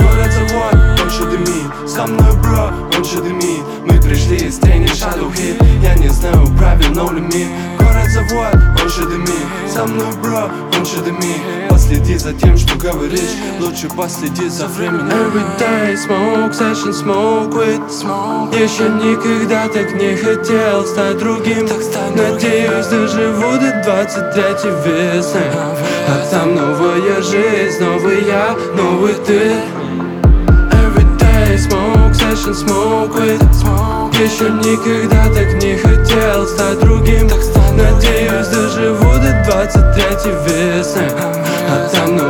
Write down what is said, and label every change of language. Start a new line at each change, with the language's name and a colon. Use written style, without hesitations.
Russian: Город завод, он ща дымит. Со мной бро, он ща дымит. Мы пришли из тени,
English: shadow hit.
Russian: Я не знаю правил, но лимит. Город завод, он ща дымит. Со мной бро, он ща дымит. Последи за тем, что говоришь. Лучше последи за временем.
English: Every day smoke session, smoke with smoke.
Russian: Еще никогда так не хотел стать другим. Надеюсь, доживу до 23 весны. А там новая жизнь, новый я, новый ты.
English: Every day smoke session, smoke with smoke.
Russian: Еще никогда так не хотел стать другим. Надеюсь, доживу до 23 весны. А там